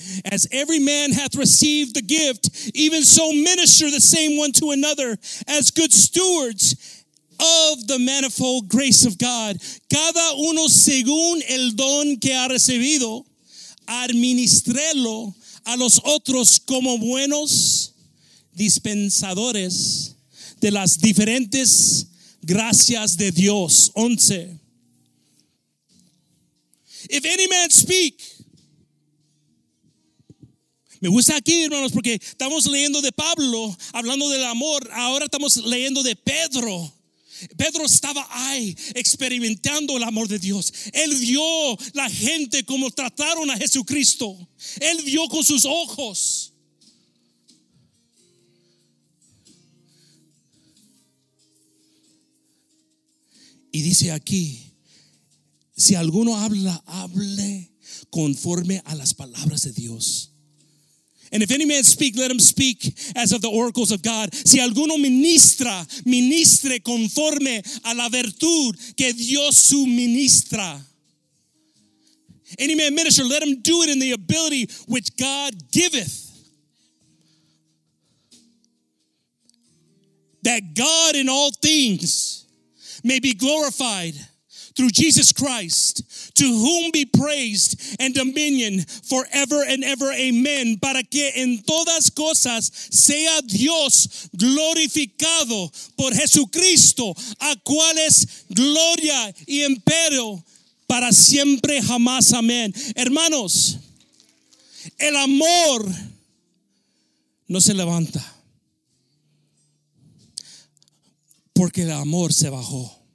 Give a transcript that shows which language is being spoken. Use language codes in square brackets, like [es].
[en] As every man hath received the gift, even so minister the same one to another as good stewards of the manifold grace of God. [es] Cada uno según el don que ha recibido, administrelo a los otros como buenos dispensadores de las diferentes gracias de Dios. 11. [en] If any man speak. [es] Me gusta aquí, hermanos, porque estamos leyendo de Pablo, hablando del amor. Ahora estamos leyendo de Pedro. Pedro estaba ahí experimentando el amor de Dios. Él vio la gente como trataron a Jesucristo. Él vio con sus ojos. Y dice aquí, si alguno habla, hable conforme a las palabras de Dios. [en] And if any man speak, let him speak as of the oracles of God. [es] Si alguno ministra, ministre conforme a la virtud que Dios suministra. [en] Any man minister, let him do it in the ability which God giveth. That God in all things may be glorified through Jesus Christ, to whom be praised and dominion forever and ever. Amen. [es] Para que en todas cosas sea Dios glorificado por Jesucristo, a cual es gloria y imperio para siempre jamás. Amén. Hermanos, el amor no se levanta porque el amor se bajó.